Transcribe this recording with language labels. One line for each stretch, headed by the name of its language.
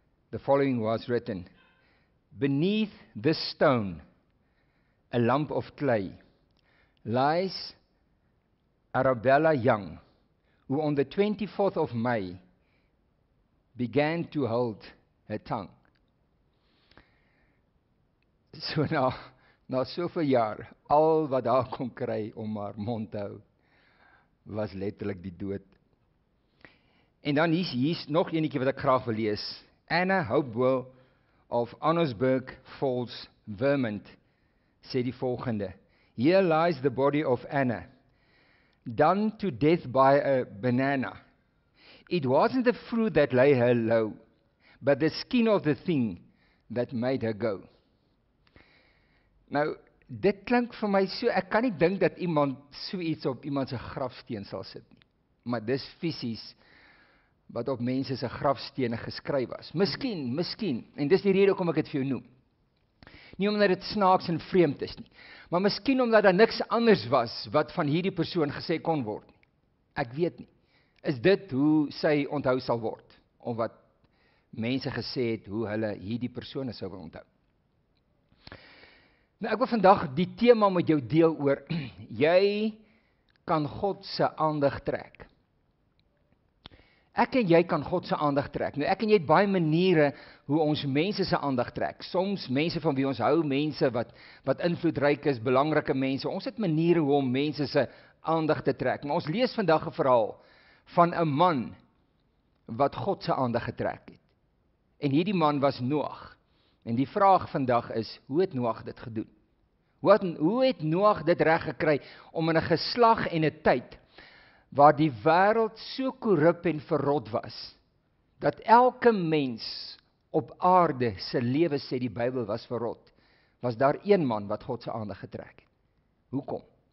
English: The following was written, beneath this stone, a lump of clay, lies Arabella Young, who on the 24th of May began to hold her tongue.
Afrikaans: So na soveel jaar, al wat haar kon kry om haar mond te hou, was letterlijk die dood. En dan hier is nog eenetjie wat ek graag wil lees.
English: Anna Hopewell of Annosburg Falls, Vermont,
Afrikaans: sê die volgende:
English: here lies the body of Anna, done to death by a banana. It wasn't the fruit that lay her low, but the skin of the thing that made her go.
Afrikaans: Nou, dit klink vir my so, ek kan nie dink dat iemand so iets op iemand sy grafsteen sal sit nie. Maar dis fisies wat op mense sy grafstene geskryf was. Miskien, en dis die rede hoekom ek dit vir jou noem. Nie omdat het snaaks en vreemd is nie, maar miskien omdat daar niks anders was wat van hierdie persoon gesê kon word. Ek weet nie. Is dit hoe sy onthou sal word? Of wat mense gesê het, hoe hulle hierdie persoon sou wil onthou? Nou, ek wil vandag die thema met jou deel oor, jy kan God se aandag trek. Ek en jy kan God se aandag trek. Nou, ek en jy het baie maniere hoe ons mense se aandag trek. Soms mense van wie ons hou, mense wat invloedryk is, belangrike mense. Ons het maniere hoe om mense se aandag te trek. Maar ons lees vandag 'n verhaal van 'n man wat God se aandag getrek het. En hierdie man was Noag. En die vraag vandag is, hoe het Noag dit gedoen? Hoe het Noag dit reg gekry om in 'n geslag en 'n tyd waar die wêreld so korrup en verrot was, dat elke mens op aarde sy lewe, sê die Bybel, was verrot, was daar een man wat God sy aandag getrek het. Hoekom?